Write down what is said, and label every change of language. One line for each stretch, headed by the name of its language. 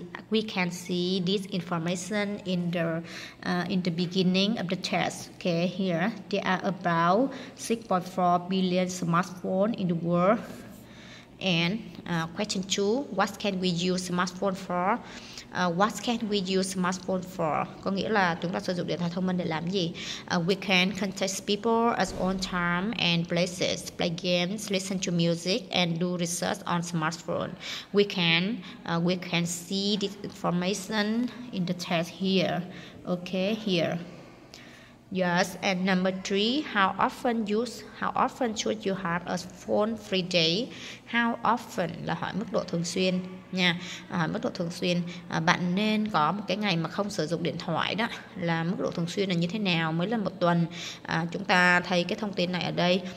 English: We can see this information in the beginning of the test. Okay, here there are about 6.4 billion smartphones in the world. And question 2, what can we use smartphone for? What can we use smartphone for?
Vietnamese: Có nghĩa là chúng ta sử dụng điện thoại thông minh để làm gì?
English: We can contact people at all time and places, play games, listen to music, and do research on smartphone. We can see this information in the text here. Okay, here. Yes, and number three, how often should you have a phone free day? How often
Vietnamese: là hỏi mức độ thường xuyên nha. Hỏi mức độ thường xuyên, bạn nên có một cái ngày mà không sử dụng điện thoại đó, là mức độ thường xuyên là như thế nào, mấy lần một tuần. Chúng ta thấy cái thông tin này ở đây.